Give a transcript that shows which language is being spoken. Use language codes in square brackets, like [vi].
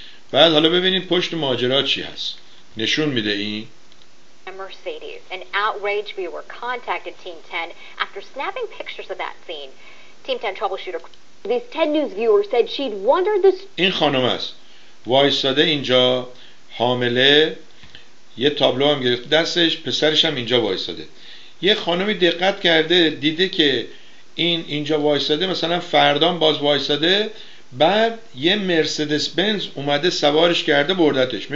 [fa] بعد حالا ببینید پشت ماجرا چی هست، نشون میده این [en] Mercedes. An outraged viewer contacted Team 10 after snapping pictures of that scene. Team 10 troubleshooter. These 10 News viewers said she'd wondered this. [fa] این خانم است. وایساده اینجا حامله. یه تابلو هم گرفت دستش، پسرش هم اینجا وایساده. یه خانمی دقت کرده دیده که این اینجا وایساده، مثلا فردام باز وایساده، بعد یه مرسدس بنز اومده سوارش کرده بردتش.